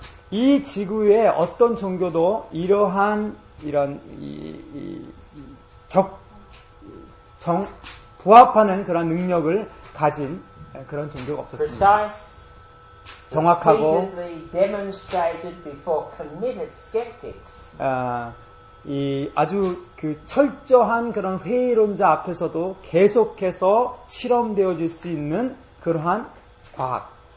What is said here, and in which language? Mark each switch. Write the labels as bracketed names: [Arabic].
[Korean] 이 지구의 어떤 종교도 이러한 이런 적정 부합하는 그런 능력을 가진 그런 종교가 없었습니다. [English] Precise, [Korean] 정확하고 [English] demonstrated before committed skeptics. [Korean] 이 아주 그 철저한 그런 회의론자 앞에서도 계속해서 실험되어질 수 있는 그러한 과학.